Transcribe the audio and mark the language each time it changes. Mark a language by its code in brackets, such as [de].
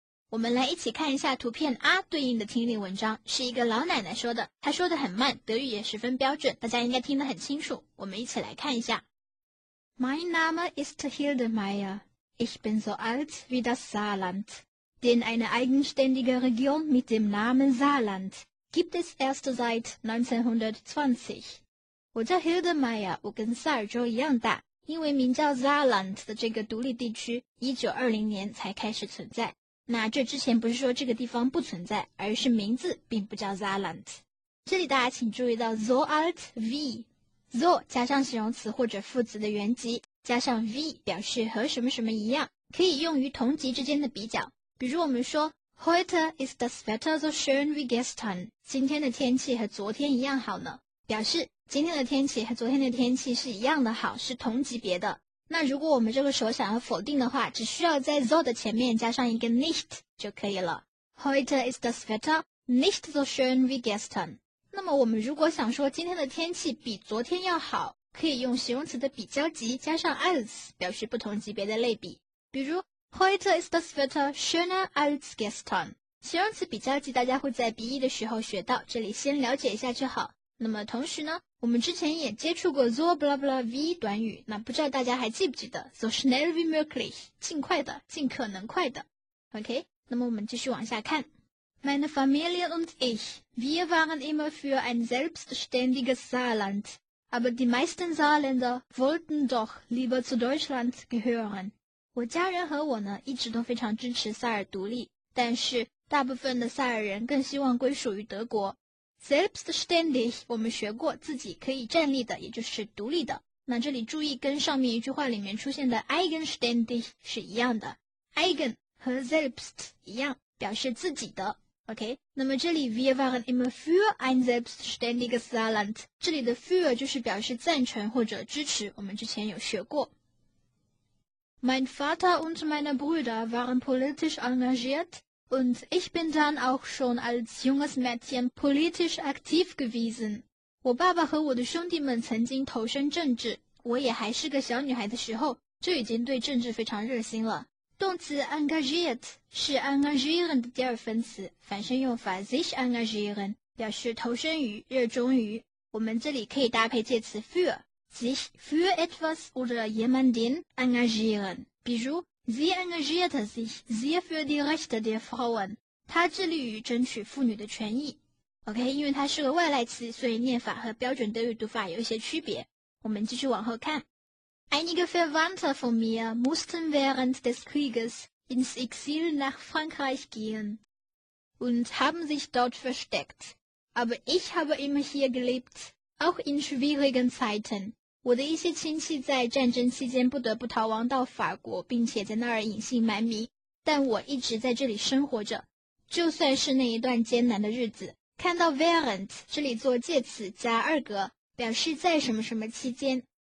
[zh] 我们来一起看一下图片 R 对应的听力文章，是一个老奶奶说的，她说的很慢，德语也十分标准，大家应该听得很清楚。我们一起来看一下。 [de] Mein Name ist Hilde Meier. Ich bin so alt wie das Saarland. Denn eine eigenständige Region mit dem Namen Saarland gibt es erst seit 1920. [zh] 我叫 Hilde Meier， 我跟萨尔州一样大，因为名叫 Saarland 的这个独立地区1920年才开始存在。那这之前不是说这个地方不存在，而是名字并不叫 Saarland。这里大家请注意到 so alt v， so 加上形容词或者副词的原级，加上 v 表示和什么什么一样，可以用于同级之间的比较。比如我们说 [de] Heute ist das Wetter so schön wie gestern， [zh] 今天的天气和昨天一样好呢，表示今天的天气和昨天的天气是一样的好，是同级别的。那如果我们这个时候想要否定的话，只需要在 so 的前面加上一个 nicht 就可以了。 [de] Heute ist das Wetter nicht so schön wie gestern。 [zh] 那么我们如果想说今天的天气比昨天要好，可以用形容词的比较级加上 als 表示不同级别的类比。比如 [de] Heute ist das Wetter schöner als gestern。 [zh] 形容词比较级大家会在 B1 的时候学到，这里先了解一下就好。那么同时呢，我们之前也接触过 so blah blah v 短语，那不知道大家还记不记得 [de] so schnell wie möglich， [zh] 尽快的，尽可能快的。 OK， 那么我们继续往下看。 [de] Meine Familie und ich, wir waren immer für ein selbstständiges Saarland, aber die meisten Saarländer wollten doch lieber zu Deutschland gehören. [zh] 我家人和我呢，一直都非常支持萨尔独立，但是大部分的萨尔人更希望归属于德国。 Selbstständig， 我们学过自己可以站立的，也就是独立的。那这里注意跟上面一句话里面出现的 eigenständig 是一样的。 eigen 和 selbst 一样，表示自己的。 OK， 那么这里 [de] wir waren immer für ein selbstständiges Saarland， [zh] 这里的 für 就是表示赞成或者支持，我们之前有学过。 [de] Mein Vater und meine Brüder waren politisch engagiert. Und ich bin dann auch schon als junges Mädchen politisch aktiv gewesen. [zh] 我爸爸和我的兄弟们曾经投身政治，我也还是个小女孩的时候，就已经对政治非常热心了。动词 engagiert 是 engagieren 的第二分词，反身用法 sich engagieren 表示投身于、热衷于。我们这里可以搭配介词 für， [de] sich für etwas oder jemanden engagieren. Bijou, sie engagierte sich sehr für die Rechte der Frauen. [zh] 她致力于争取妇女的权益。OK, 因为它是个外来词，所以念法和标准德语读法有一些区别。我们继续往后看。 [de] Einige Verwandte von mir mussten während des Krieges ins Exil nach Frankreich gehen und haben sich dort versteckt. Aber ich habe immer hier gelebt, auch in schwierigen Zeiten. [zh] 我的一些亲戚在战争期间不得不逃亡到法国，并且在那儿隐姓埋名，但我一直在这里生活着，就算是那一段艰难的日子。看到 während, 这里做介词加二格，表示在什么什么期间。